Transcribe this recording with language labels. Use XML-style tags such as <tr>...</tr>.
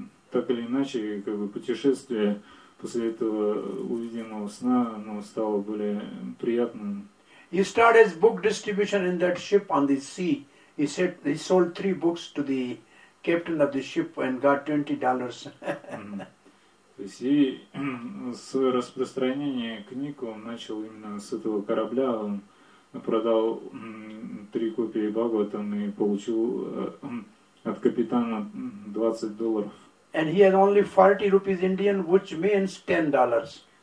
<ru>Так или иначе, как бы путешествие после этого увиденного сна, оно стало более приятным.</ru> <en>He started book distribution in that ship on the sea. He said he sold 3 books to the captain of the ship and got $20.</en> <ru>То есть и с распространения книг он начал именно с этого корабля. Он продал 3 копии Бхагаватам и получил от капитана $20.</ru> <en>And he had only 40 rupees Indian, which means $10.</en>